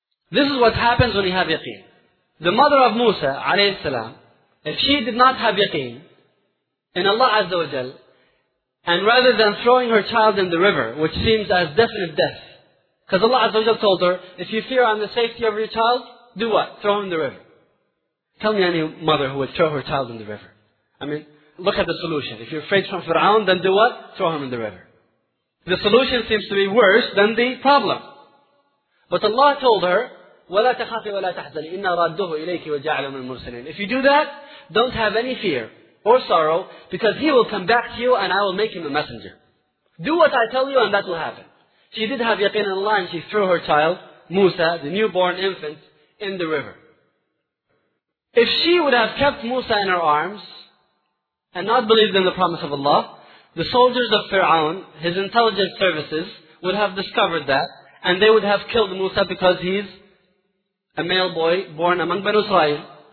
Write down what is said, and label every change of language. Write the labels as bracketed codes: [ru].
[en] This is what happens when you have yaqeen. The mother of Musa alayhi salam, if she did not have yaqeen in Allah Azza wa Jal, and rather than throwing her child in the river, which seems as definite death, because Allah Azza wa Jal told her, if you fear on the safety of your child, do what? Throw him in the river. Tell me any mother who would throw her child in the river. I mean, look at the solution. If you're afraid from Fir'aun, then do what? Throw him in the river. The solution seems to be worse than the problem. But Allah told her, [ar] وَلَا تَخَافِ وَلَا تَحْزَنِ إِنَّا رَدُّهُ إِلَيْكِ وَجَعْلَ مِنَ الْمُرْسَلِينَ. [en] If you do that, don't have any fear or sorrow because he will come back to you and I will make him a messenger. Do what I tell you and that will happen. She did have yaqeen in Allah, and she threw her child, Musa, the newborn infant, in the river. If she would have kept Musa in her arms and not believed in the promise of Allah, the soldiers of Fir'aun, his intelligence services, would have discovered that, and they would have killed Musa because he's a male boy born among Banu Israel.